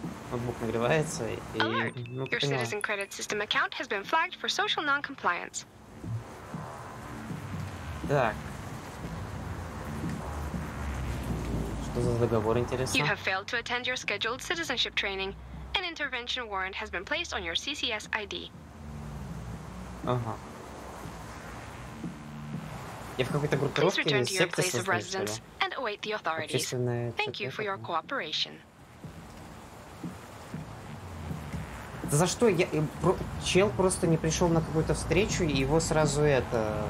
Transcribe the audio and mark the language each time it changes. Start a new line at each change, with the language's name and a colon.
Russian: Ноутбук нагревается и... Ну, ты поняла.
English: Your citizen credit system account has been flagged for social non-compliance.
Russian: Так. Что за договор, интересно?
English: You have failed to attend your scheduled citizenship training. An intervention warrant has been placed on your CCS ID.
Russian: Ага. Я в какой-то группировке или секте состоял, что ли? Общественная...
English: Thank you for your cooperation.
Russian: За что я... Чел просто не пришел на какую-то встречу, и его сразу это...